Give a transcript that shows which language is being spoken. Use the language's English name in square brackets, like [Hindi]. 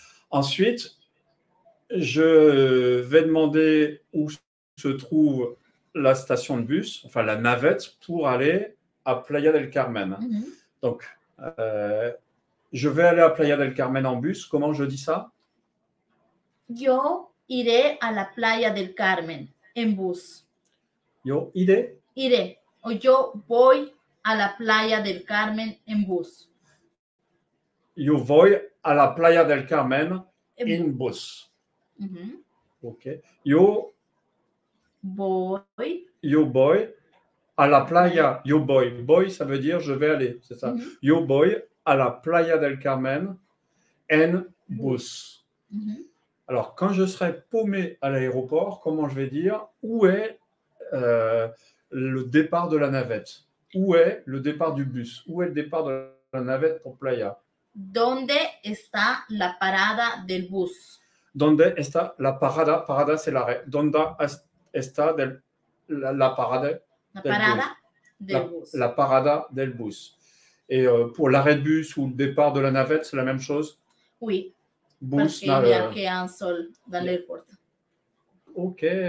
[French] Ensuite, je vais demander où se trouve la station de bus, enfin la navette, pour aller à Playa del Carmen. Mm-hmm. Donc, je vais aller à Playa del Carmen en bus. Comment je dis ça? [Spanish] Yo iré a la Playa del Carmen en bus. Yo iré. Iré. O yo voy a la Playa del Carmen en bus. Yo voy a la Playa del Carmen en bus. Mm-hmm. Ok. Yo voy. Yo voy a la Playa. Yo voy. [French] Voy, ça veut dire je vais aller. C'est ça. Mm-hmm. [Spanish] Yo voy a la Playa del Carmen en bus. Mm-hmm. [French] Alors, quand je serai paumé à l'aéroport, comment je vais dire? Où est le départ de la navette? Où est le départ du bus? Où est le départ de la navette pour Playa? [Spanish] ¿Dónde está la parada del bus? ¿Dónde está la parada? Parada, [French] c'est l'arrêt. [Spanish] ¿Dónde está la parada del bus? [French] Et pour l'arrêt de bus ou le départ de la navette, c'est la même chose? Oui. Bus, parce qu'il n'y a qu'un seul dans l'aéroport. Ok.